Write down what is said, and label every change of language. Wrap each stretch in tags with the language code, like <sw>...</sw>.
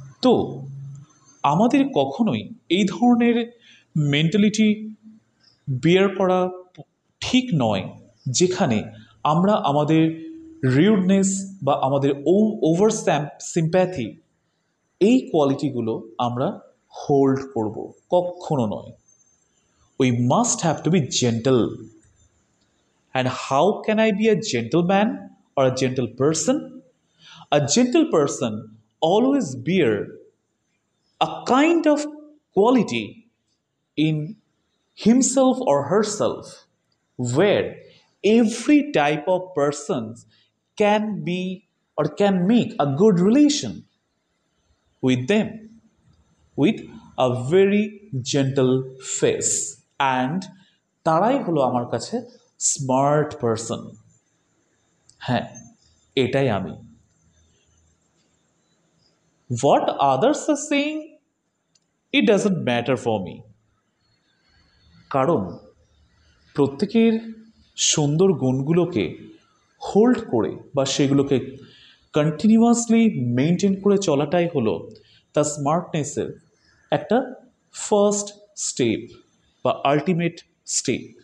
<bn>তো আমাদের কখনোই এই ধরনের মেন্টালিটি বিয়ার করা ঠিক নয়, যেখানে আমরা আমাদের রিউডনেস বা আমাদের ওভার সিম্প্যাথি এই কোয়ালিটিগুলো আমরা হোল্ড করব, কখনো নয়।</bn> <en>We must have to be gentle. And how can I be a gentleman or a gentle person? A gentle person always bear a kind of quality in himself or herself where every type of person can be or can make a good relation with them with a very gentle face, and</en> <bn>tarai holo amar kache</bn> <en>smart person.</en> <bn>Ha, etai ami.</bn> <en>What others are saying, it doesn't matter for me.</en> <bn>কারণ প্রত্যেকের সুন্দর গুণগুলোকে hold করে বা সেগুলোকে continuously maintain করে চলাটাই হলো তার স্মার্টনেসের একটা ফার্স্ট স্টেপ বা আলটিমেট স্টেপ।</bn>